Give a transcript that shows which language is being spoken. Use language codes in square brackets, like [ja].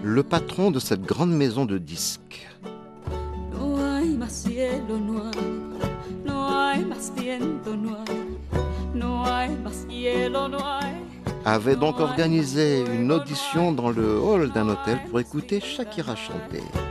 [fr] Patron de cette grande maison de disques, [es] más cielo, no hay, no hay más viento, no hay, no hay más cielo, no hay. [fr] Avait donc organisé une audition dans le hall d'un hôtel pour écouter Shakira chanter.